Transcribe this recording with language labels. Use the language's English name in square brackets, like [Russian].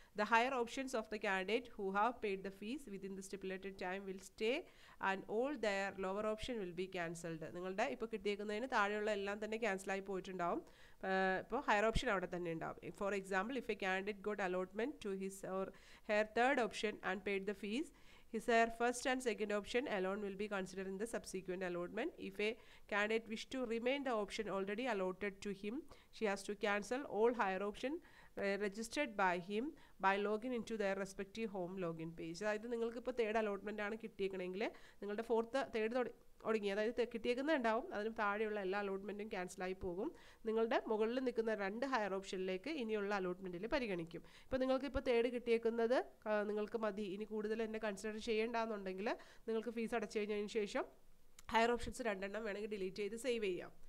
[English] The higher options of the candidate who have paid the fees within the stipulated time will stay and all their lower option will be cancelled. [Malayalam] നിങ്ങളുടെ ഇപ്പോൾ കിട്ടിയേക്കുന്നതിന് താഴെയുള്ള എല്ലാം തന്നെ ക്യാൻസലായി പോയിട്ടുണ്ടാവും. ഇപ്പോൾ higher option അവിടെ തന്നെ ഉണ്ടാവും. [English] For example, if a candidate got allotment to his or her third option and paid the fees His first and second option alone will be considered in the subsequent allotment. If a candidate wish to remain the option already allotted to him, she has to cancel all higher option registered by him by logging into their respective home login page. [Malayalam] അതായത് നിങ്ങൾക്ക് ഇപ്പോൾ third allotment ആണ് കിട്ടിയേക്കണമെങ്കിൽ നിങ്ങളുടെ fourth third തുടങ്ങി, അതായത് കിട്ടിയേക്കുന്നുണ്ടാവും, അതിന് താഴെയുള്ള എല്ലാ അലോട്ട്മെൻറ്റും ക്യാൻസലായി പോകും. നിങ്ങളുടെ മുകളിൽ നിൽക്കുന്ന രണ്ട് ഹയർ ഓപ്ഷനിലേക്ക് ഇനിയുള്ള അലോട്ട്മെൻറ്റിൽ പരിഗണിക്കും. ഇപ്പോൾ നിങ്ങൾക്ക് ഇപ്പോൾ തേർഡ് കിട്ടിയേക്കുന്നത് നിങ്ങൾക്ക് മതി, ഇനി കൂടുതൽ എന്നെ കൺസിഡർ ചെയ്യേണ്ടെന്നുണ്ടെങ്കിൽ നിങ്ങൾക്ക് ഫീസ് അടച്ചു കഴിഞ്ഞതിന് ശേഷം ഹയർ ഓപ്ഷൻസ് രണ്ടെണ്ണം വേണമെങ്കിൽ ഡിലീറ്റ് ചെയ്ത് സേവ് ചെയ്യാം.